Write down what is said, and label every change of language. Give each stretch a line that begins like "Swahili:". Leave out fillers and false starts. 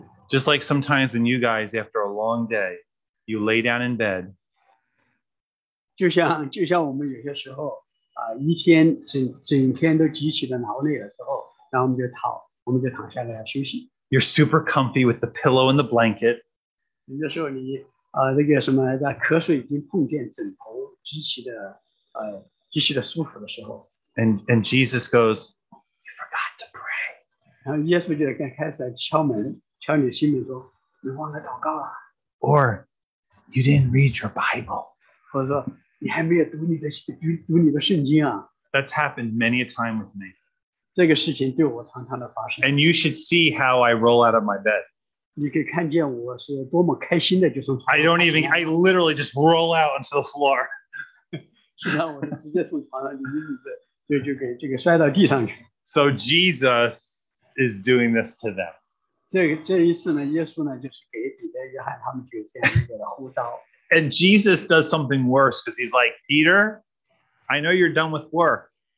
English: just like sometimes when you guys, after a long day, you lay down in bed.
Chinese: 就像我们有些时候, 一天整天都极其的劳累的时候, 然后我们就躺, 我们就躺下来休息。
English: You're super comfy with the pillow and the blanket.
Chinese: 你就说你, 那个什么, 在瞌睡已经碰见枕头, 极其的, 极其的舒服的时候,
English: and Jesus goes, you forgot to pray.
Chinese: 然后耶稣就开始敲门, 敲你心里说, 你忘了祷告了。
English: Or you didn't read your Bible.
Chinese: 或者说, 你还没有读你的, 读你的圣经啊。
English: That's happened many a time with me.
Chinese: 这个事情对我常常的发生,
English: and you should see how I roll out of my bed.
Chinese: 你可以看见我是多么开心的,
English: I literally just roll out onto the floor.
Chinese: 就让我直接从床上就,
English: so Jesus is doing this to them.
Chinese: 这一次呢, 耶稣呢, 就是给彼得约翰他们这样一个呼召。
English: And Jesus does something worse because he's like, Peter, I know you're done with work.